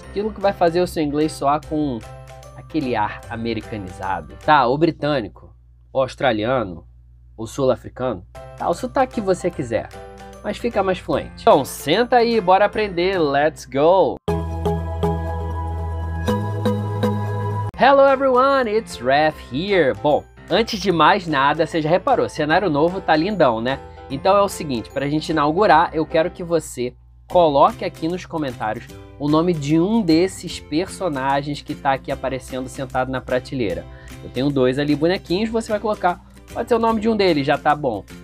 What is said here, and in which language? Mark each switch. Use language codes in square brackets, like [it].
[pt] Aquilo que vai fazer o seu inglês soar com aquele ar americanizado, tá? Ou britânico, ou australiano, ou sul-africano, tá? O sotaque que você quiser. Mas fica mais fluente. Então, senta aí, bora aprender. [en] Let's go! Hello everyone, it's Raf here. [pt] Bom, antes de mais nada, você já reparou, cenário novo tá lindão, né? Então é o seguinte, pra gente inaugurar, eu quero que você coloque aqui nos comentários o nome de um desses personagens que tá aqui aparecendo sentado na prateleira. Eu tenho dois ali bonequinhos, você vai colocar. Pode ser o nome de um deles, já tá bom.